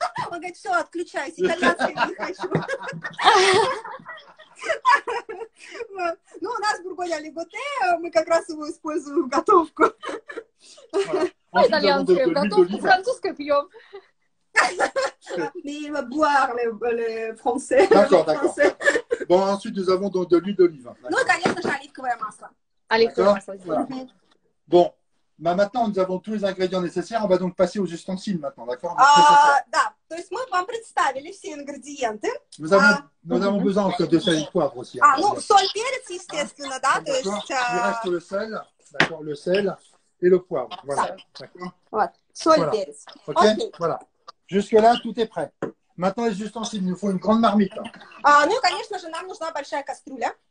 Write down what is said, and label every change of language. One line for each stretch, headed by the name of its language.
Russian: Он говорит, все, отключайся, итальянский не хочу. Ну, у нас бургонья Лиготе, мы как раз его используем в готовку. А итальянское в готовку, французское пьем.
French: Mais il va boire le français. D'accord, d'accord. Bon, ensuite nous avons donc de l'huile d'olive.
Russian: Ну, конечно же, оливковое масло. Оливковое масло.
French: Bon, bah, maintenant nous avons tous les ingrédients nécessaires. On va donc passer aux ustensiles maintenant, d'accord?
Russian: Да, то есть мы вам представили все ингредиенты.
French: Nous avons besoin donc, de sel et poivre aussi.
Russian: Ah, ну, соль, перец, естественно, да?
French: D'accord, il reste le sel, d'accord, le sel et le poivre. Voilà, d'accord?
Russian: Вот, соль, перец. Окей,
French: voilà. Jusque-là, tout est prêt. Maintenant, les ustensiles, il nous faut une grande marmite.
Russian: Ну, конечно же, нам нужна большая кастрюля.